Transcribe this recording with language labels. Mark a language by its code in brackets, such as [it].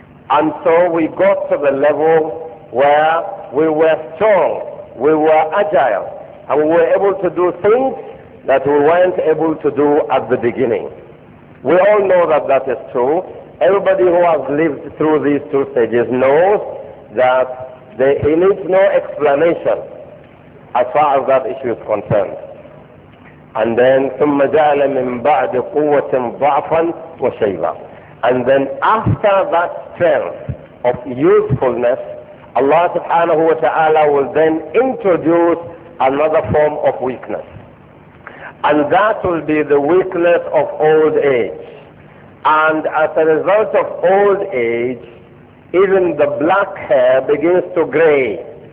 [en] And so we got to the level where we were strong, we were agile, and we were able to do things that we weren't able to do at the beginning. We all know that that is true. Everybody who has lived through these two stages knows that there is no explanation as far as that issue is concerned. And then, [ar] ثُمَّ جَعَلَ مِنْ بَعْدِ قُوَّةٍ ضَعْفًا وَشَيْبًا. [en] And then after that strength of usefulness, Allah subhanahu wa ta'ala will then introduce another form of weakness. And that will be the weakness of old age. And as a result of old age, even the black hair begins to gray.